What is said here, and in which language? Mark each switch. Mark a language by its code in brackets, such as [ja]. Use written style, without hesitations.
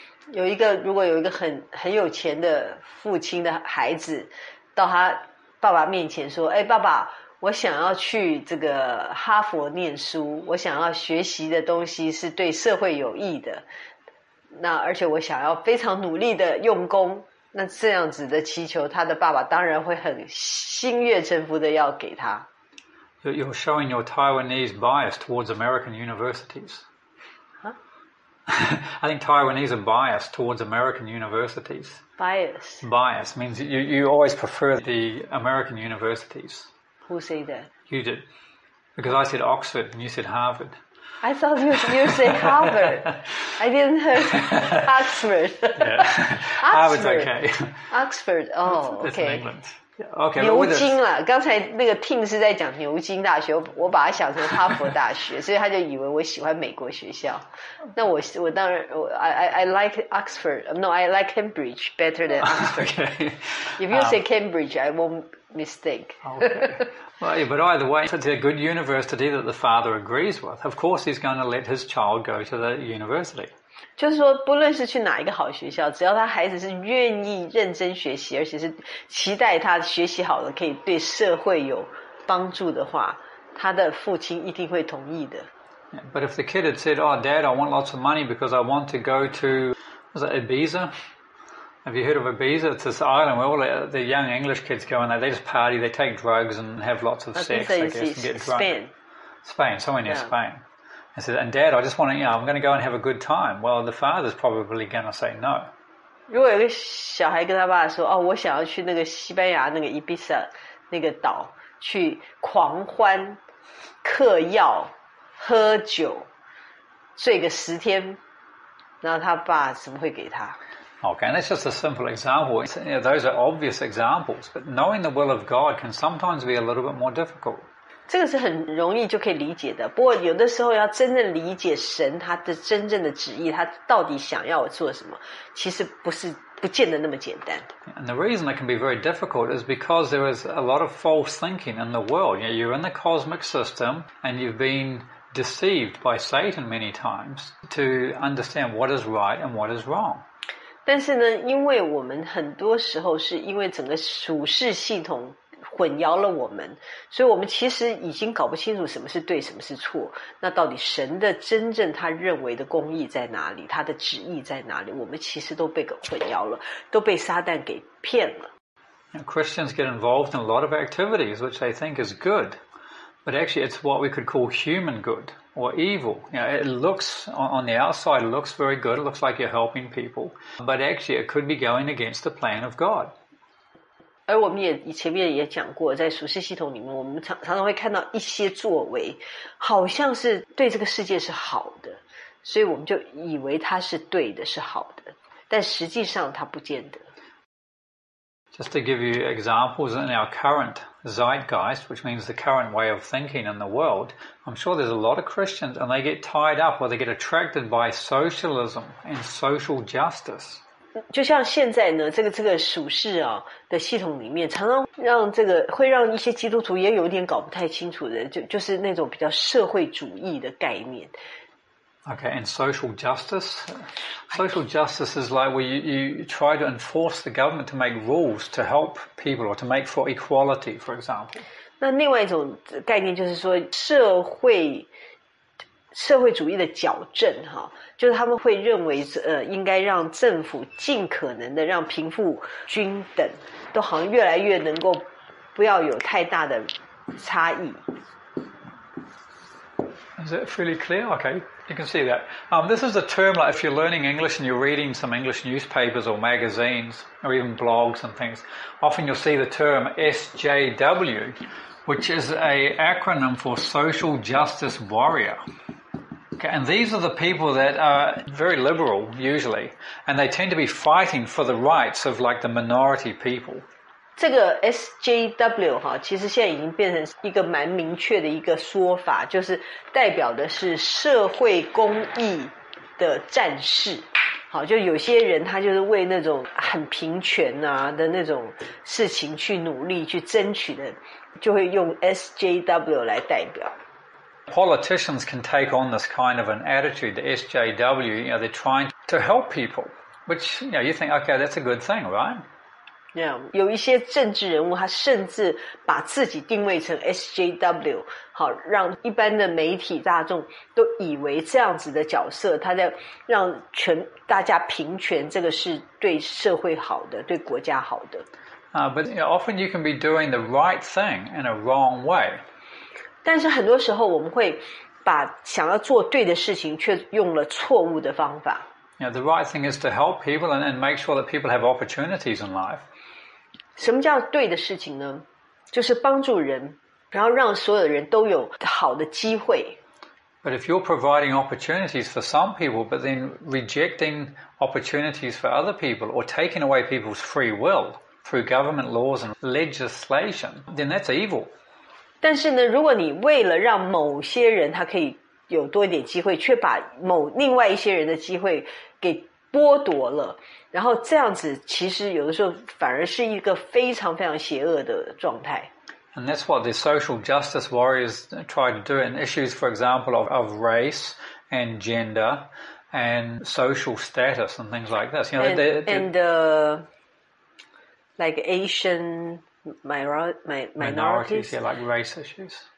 [zh] 有一个，如果有一个很有钱的父亲的孩子到他爸爸面前说，哎，爸爸，我想要去这个哈佛念书，我想要学习的东西是对社会有益的，那而且我想要非常努力的用功，那这样子的祈求，他的爸爸当然会很心悦诚服的要给他。 [en] You're showing your Taiwanese bias towards American universities. Huh? I think Taiwanese are biased towards American universities. Bias. Bias means you always prefer the American universities. Who say that? You did. Because I said Oxford and you said Harvard. I thought you say Harvard. I didn't hear Oxford. Yeah. Harvard's okay. Oxford, oh, okay. It's in England. Okay, [zh] 牛津啦，刚才那个 Tim 是在讲牛津大学，我把它想成哈佛大学，所以他就以为我喜欢美国学校。那我当然我 [en] I like Oxford. No, I like Cambridge better than Oxford. Okay. If you say Cambridge, I won't mistake. Okay. Well, yeah, but either way, it's a good university that the father agrees with. Of course, he's going to let his child go to the university. [zh] 就是说不论是去哪一个好学校，只要他孩子是愿意认真学习，而且是期待他学习好了可以对社会有帮助的话，他的父亲一定会同意的。 [en] But if the kid had said, oh dad, I want lots of money because I want to go to, was it Ibiza? Have you heard of Ibiza? It's this island where all the young English kids go and they just party, they take drugs and have lots of sex, I guess, and get drunk. Spain, somewhere near Spain. I said, and dad, I just want to, you know, I'm going to go and have a good time. Well, the father's probably going to say no. [zh] 如果有个小孩跟他爸说，哦，我想要去那个西班牙那个 Ibiza 那个岛去狂欢、嗑药、喝酒、醉个十天，那他爸怎么会给他？ [en] Okay, that's just a simple example. You know, those are obvious examples, but knowing the will of God can sometimes be a little bit more difficult. [zh] 这个是很容易就可以理解的，不过有的时候要真正理解神他的真正的旨意，他到底想要我做什么，其实不见得那么简单。 [en] And the reason it can be very difficult is because there is a lot of false thinking in the world. You know, you're in the cosmic system and you've been deceived by Satan many times to understand what is right and what is wrong. [zh] 但是呢，因为我们很多时候是因为整个属世系统混淆了我们，所以我们其实已经搞不清楚什么是对，什么是错。那到底神的真正他认为的公义在哪里，他的旨意在哪里，我们其实都被混淆了，都被撒旦给骗了。 [en] Christians get involved in a lot of activities which they think is good, but actually it's what we could call human good or evil. You know, it looks on the outside, it looks very good, it looks like you're helping people, but actually it could be going against the plan of God. [zh] 而我们也前面也讲过，在属世系统里面，我们常常会看到一些作为，好像是对这个世界是好的，所以我们就以为它是对的，是好的，但实际上它不见得。 [en] Just to give you examples in our current zeitgeist, which means the current way of thinking in the world, I'm sure there's a lot of Christians and they get tied up or they get attracted by socialism and social justice. [zh] 就像现在呢，这个属世啊的系统里面，常常让这个会让一些基督徒也有点搞不太清楚的，就是那种比较社会主义的概念。 [en] Okay, and social justice. Social justice is like where you try to enforce the government to make rules to help people or to make for equality, for example. [zh] 那另外一种概念就是说社会主义的矫正哈，就是他们会认为应该让政府尽可能的让贫富均等，都好像越来越能够不要有太大的差异。 [en] Is that fairly clear? Okay, you can see that. This is a term like if you're learning English and you're reading some English newspapers or magazines or even blogs and things, often you'll see the term SJW, which is an acronym for Social Justice Warrior. Okay, and these are the people that are very liberal, usually, and they tend to be fighting for the rights of like the minority people. [zh] 这个 SJW 哈，其实现在已经变成一个蛮明确的一个说法，就是代表的是社会公益的战士。好，就有些人他就是为那种很平权啊的那种事情去努力去争取的，就会用 SJW 来代表。 [en] Politicians can take on this kind of an attitude, the SJW. You know, they're trying to help people, which you know you think, okay, that's a good thing, right? [zh] 有一些政治人物他甚至把自己定位成 SJW, 好让一般的媒体大众都以为这样子的角色他在让全大家平权，这个是对社会好的，对国家好的。 [en] But you know, often you can be doing the right thing in a wrong way. [zh] 但是很多时候我们会把想要做对的事情却用了错误的方法。 [en] You know, the right thing is to help people and make sure that people have opportunities in life. [zh] 什么叫对的事情呢？就是帮助人，然后让所有的人都有好的机会。 [en] But if you're providing opportunities for some people, but then rejecting opportunities for other people, or taking away people's free will through government laws and legislation, then that's evil. [zh] 但是呢，如果你为了让某些人他可以有多一点机会，却把另外一些人的机会给剥夺了，然后这样子其实有的时候反而是一个非常非常邪恶的状态。 [en] And that's what the social justice warriors try to do in issues, for example, of race and gender and social status and things like this. You know, like Asian minorities, yeah, like race issues.